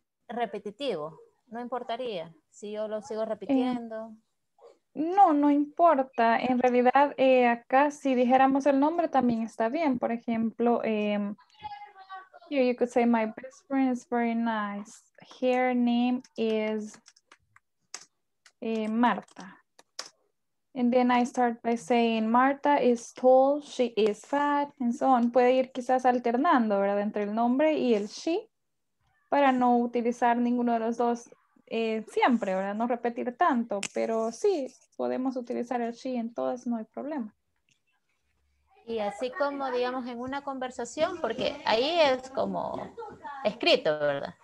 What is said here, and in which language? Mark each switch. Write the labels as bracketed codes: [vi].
[es] Repetitivo, no importaría si yo lo sigo repitiendo. No importa. En realidad, acá si dijéramos el nombre también está bien. Por ejemplo, [en] here you could say my best friend is very nice. Her name is Marta. And then I start by saying Marta is tall, she is fat, and so on. [es] Puede ir quizás alternando, ¿verdad? Entre el nombre y el she. Para no utilizar ninguno de los dos siempre, ¿verdad? No repetir tanto, pero sí, podemos utilizar el she en todas, no hay problema. Y así como, digamos, en una conversación, porque ahí es como escrito, ¿verdad?